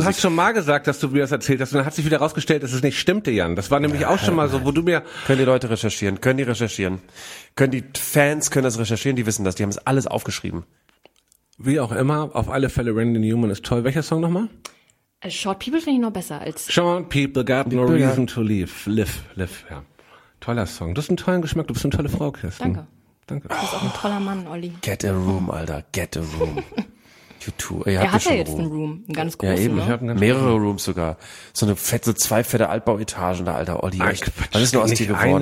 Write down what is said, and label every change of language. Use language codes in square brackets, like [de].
[de] Du hast schon mal gesagt, dass du mir das erzählt hast und dann hat sich wieder rausgestellt, dass es nicht stimmte, Jan. Das war nämlich auch schon mal so, wo du mir... Können die Leute recherchieren, Können die Fans, können das recherchieren, die wissen das, die haben es alles aufgeschrieben. Wie auch immer, auf alle Fälle, Randy Newman ist toll. Welcher Song nochmal? Short People finde ich noch besser als... [en] Short People got no reason to leave. [de] Live, ja. Toller Song. Du hast einen tollen Geschmack. Du bist eine tolle Frau, Kirsten. Danke. Danke. Du bist auch ein toller Mann, Olli. [en] Get a room, Alter. Get a room. You too. [de] Er hat ja schon jetzt einen Room. Ein ganz großes. Ja, eben. Ne? Ich hab mehrere Rooms sogar. So eine fette, zwei fette Altbauetagen da, Alter. Olli, echt. Was ist nur aus dir geworden?